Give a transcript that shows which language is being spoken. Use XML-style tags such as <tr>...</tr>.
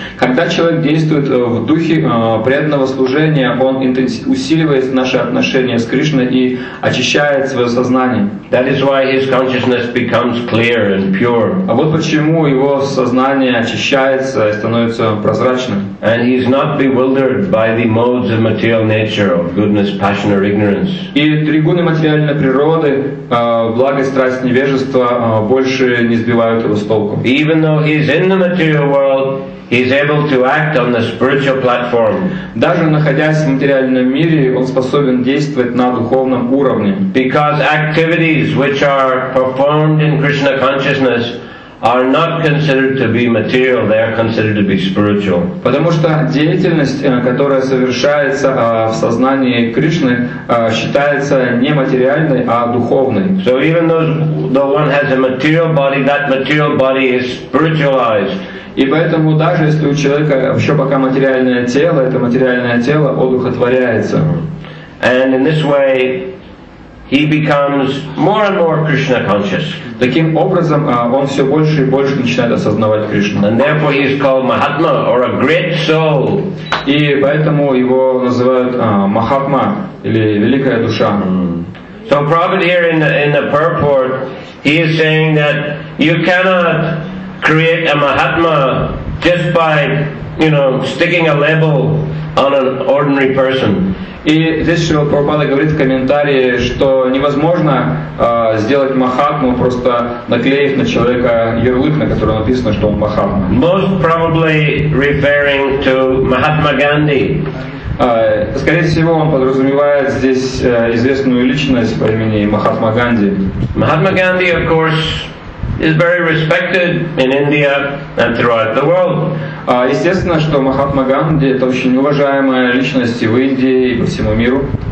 <ru>Когда человек действует в духе преданного служения, он усиливает наши отношения с Кришной и очищает свое сознание.</ru> <en>That is why his consciousness becomes clear and pure.</en> <ru>А вот почему его сознание очищается и становится прозрачным.</ru> <en>And he is not bewildered by the modes of material nature of goodness, passion or ignorance.</en> <ru>И тригуны материальной природы, благость, страсть, невежество больше не сбивают его с толку.</ru> <en>Even though he is in the material world, he is able to act on the spiritual platform.</en> <ru>Даже находясь в материальном мире, он способен действовать на духовном уровне.</ru> <en>Because activities which are performed in Krishna consciousness are not considered to be material, they are considered to be spiritual.</en> <ru>Потому что деятельность, которая совершается в сознании Кришны, считается не материальной, а духовной.</ru> <en>So even though one has a material body, that material body is spiritualized.</en> <ru>И поэтому даже если у человека еще пока материальное тело, это материальное тело одухотворяется.</ru> <en>And in this way, he becomes more and more Krishna conscious.</en> <ru>Таким образом, он все больше и больше начинает осознавать Кришну.</ru> <en>And therefore he is called Mahatma or a great soul.</en> <ru>И поэтому его называют Махатма или великая душа.</ru> <en>So Prabhupada here in the purport, he is saying that you cannot create a Mahatma just by, you know, sticking a label on an ordinary person.</en> <ru>И здесь Шрила Прабхупада говорит в комментарии, что невозможно сделать махатму, просто наклеив на человека ярлык, на котором написано, что он махатма.</ru> <en>Most probably referring to Mahatma Gandhi.</en> <ru>Скорее всего, он подразумевает здесь известную личность по имени Махатма Ганди.</ru> <en>Махатма Ганди, of course, is very respected in India and throughout the world.</en> <ru>Естественно, что Махатма Ганди это очень уважаемая личность в Индии и по всему миру.</ru>